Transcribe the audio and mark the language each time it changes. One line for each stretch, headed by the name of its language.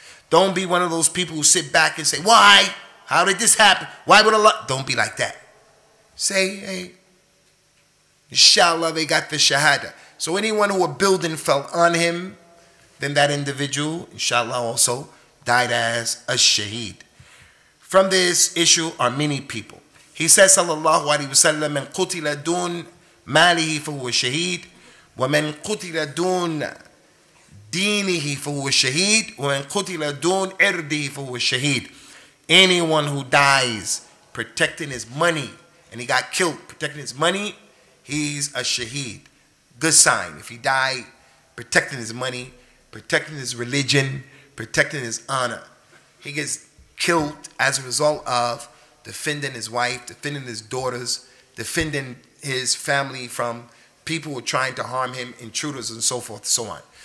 English: Don't be one of those people who sit back and say, why? How did this happen? Why would Allah? Don't be like that. Say, hey, inshallah, they got the shahada. So anyone who a building fell on him, then that individual, inshallah, also died as a shaheed. From this issue are many people. He says,
Arabic: sallallahu alayhi wa sallam, من قتل دون ماله فهو شهيد ومن قتل دون دينه فهو شهيد ومن قتل دون عرضه فهو شهيد.
English: Anyone who dies protecting his money, and he got killed protecting his money, he's a shaheed. Good sign. If he died protecting his money, protecting his religion, protecting his honor, he gets killed as a result of defending his wife, defending his daughters, defending his family from people who are trying to harm him, intruders, and so forth, so on.